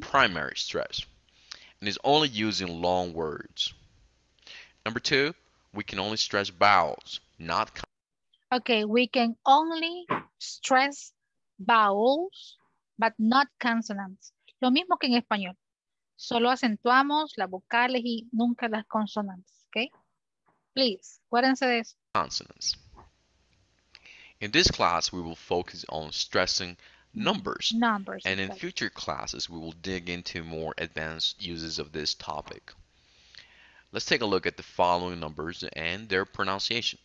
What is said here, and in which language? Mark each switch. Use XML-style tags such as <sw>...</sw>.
<en>primary stress, and is only used in long words. Number two, we can only stress vowels, not Okay, we can only stress vowels, but not consonants.</en> <es>Lo mismo que en español. Solo acentuamos las vocales y nunca las consonantes, okay? Please, acuérdense de eso.</es> <en>Consonants. In this class, we will focus on stressing numbers. Numbers. And exactly. In future classes, we will dig into more advanced uses of this topic. Let's take a look at the following numbers and their pronunciation.</en>